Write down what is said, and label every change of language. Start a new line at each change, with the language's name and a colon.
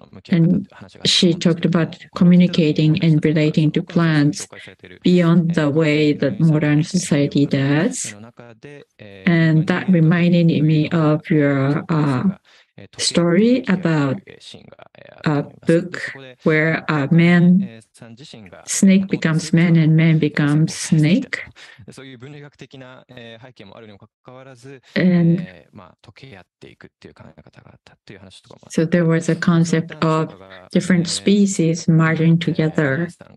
English: And she talked about communicating and relating to plants beyond the way that modern society does. And that reminded me of your story about a book where a man, snake becomes man and man becomes snake.
Japanese: そういう分類学的な背景もあるにもかかわらず、まあ、溶け合っていくっていう考え方があったという話とかも。
English: So there was a concept of different species merging together.